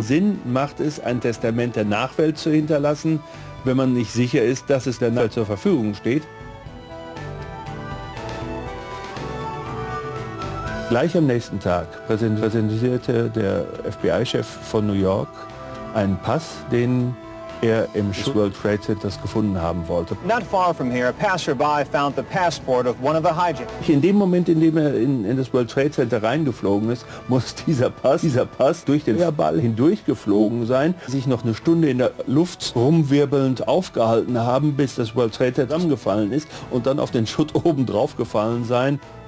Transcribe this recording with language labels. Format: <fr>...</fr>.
<de>Sinn macht es, ein Testament der Nachwelt zu hinterlassen, wenn man nicht sicher ist, dass es der Nachwelt zur Verfügung steht. Gleich am nächsten Tag präsentierte der FBI-Chef von New York einen Pass, den er im World Trade Center gefunden haben wollte.</de> <en>Not far from here, a passerby found the passport of one of the hijackers.</en> <de>In dem Moment, in dem er in das World Trade Center reingeflogen ist, muss dieser Pass durch den Feuerball hindurchgeflogen sein, sich noch eine Stunde in der Luft rumwirbelnd aufgehalten haben, bis das World Trade Center zusammengefallen ist und dann auf den Schutt oben drauf gefallen sein.</de>